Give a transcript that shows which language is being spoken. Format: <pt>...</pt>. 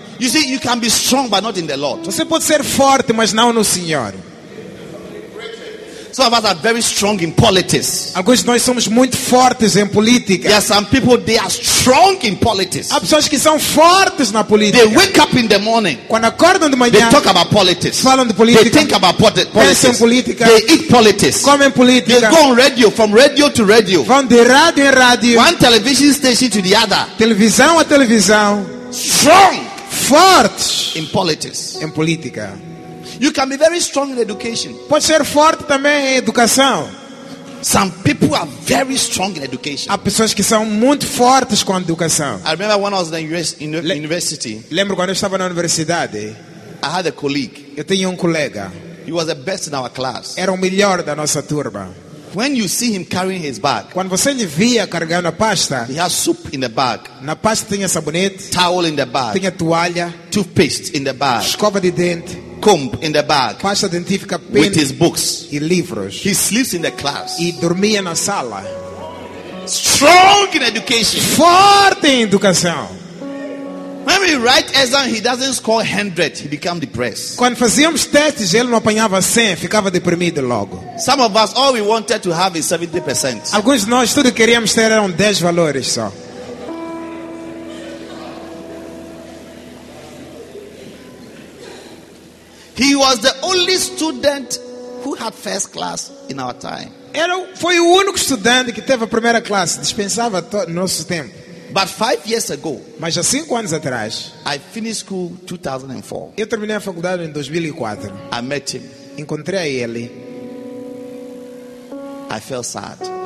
<en>You see, you can be strong, but not in the Lord.</en> <pt>Você pode ser forte, mas não no Senhor.</pt> <en>Some of us are very strong in politics.</en> <pt>Alguns de nós somos muito fortes em política.</pt> <en>There are some people, they are strong in politics.</en> <pt>Há pessoas que são fortes na política.</pt> <en>They wake up in the morning.</en> <pt>Quando acordam de manhã.</pt> <en>They talk about politics.</en> <pt>Falam de política.</pt> <en>They think about politics.</en> <pt>Pensam em política.</pt> <en>They eat politics.</en> <pt>Comem política.</pt> <en>They go on radio, from radio to radio.</en> <pt>Vão de rádio em rádio.</pt> <en>One television station to the other.</en> <pt>Televisão a televisão.</pt> <en>Strong.</en> <pt>Forte</pt> <en>in politics.</en> <pt>Em política.</pt> <en>You can be very strong in education.</en> <pt>Pode ser forte também em educação.</pt> <en>Some people are very strong in education.</en> <pt>Há pessoas que são muito fortes com a educação.</pt> <en>I remember when I was in the university.</en> <pt>Lembro quando eu estava na universidade.</pt> <en>I had a colleague.</en> <pt>Eu tinha colega.</pt> <en>He was the best in our class.</en> <pt>Era o melhor da nossa turma.</pt> <en>When you see him carrying his bag,</en> <pt>quando você lhe via carregando a pasta,</pt> <en>he has soup in the bag,</en> <pt>na pasta tinha sabonete,</pt> <en>towel in the bag,</en> <pt>tinha toalha,</pt> <en>toothpaste in the bag,</en> <pt>escova de dente,</pt> <en>comb in the bag,</en> <pt>pasta dentífica,</pt> <en>pen, with his books,</en> <pt>e livros,</pt> <en>he sleeps in the class,</en> <pt>e dormia na sala.</pt> <en>Strong in education,</en> <pt>forte em educação.</pt> <en>When we write exam, he doesn't score 100, he becomes depressed.</en> <pt>Quando fazíamos testes, ele não apanhava 100, ficava deprimido logo.</pt> <en>Some of us, all we wanted to have is 70%.</en> <pt>Alguns de nós, tudo que queríamos ter eram 10 valores só.</pt> <en>He was the only student who had first class in our time.</en> <pt>Ele foi o único estudante que teve a primeira classe, dispensava nosso tempo.</pt> <en>But 5 years ago,</en> <pt>mas há 5 anos atrás,</pt> <en>I finished school 2004.</en> <pt>Eu terminei a faculdade em 2004.</pt> <en>I met him.</en> <pt>Encontrei a ele.</pt> <en>I felt sad.</en>